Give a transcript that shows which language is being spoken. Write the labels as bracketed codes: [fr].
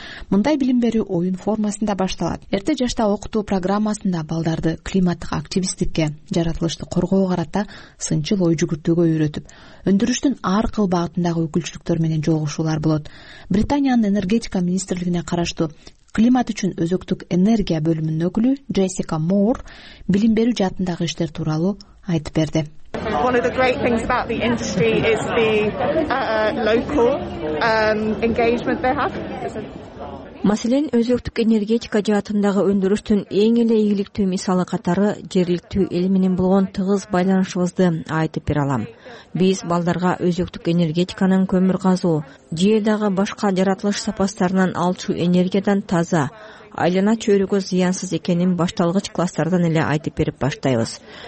[ky] Мындай билим берүү оюн формасында башталат. Эрте жашта окутуу программасында балдарды климаттык активисттикке, жаратылышты коргоого карата сынчыл ой жүгүртүүгө үйрөтүп, өндүрүштүн ар кыл багытындагы өкүлчүлүктөр менен жолугушуулар болот. Британиянын энергетика министрлигине караштуу климат үчүн өзөктүк энергия бөлүмүнүн өкүлү Джессика Моор билим берүү жаатындагы иштер тууралуу айтып берди. [en] One of the great things about the industry is the local engagement they have. [ky] Маселен, өзөктүк энергетика жаатындагы өндүрүштүн эң эле ийгиликтүү мисалы катары жергиликтүү эл менен болгон тыгыз байланышыбызды айтып бере алам. Биз балдарга өзөктүк энергетиканын көмүр казуу, жердеги башка жаратылыш сапастарынан алчуу энергиядан таза, айлана чөйрөгө зыянсыз экенин башталгыч класстардан эле айтып берип баштайбыз.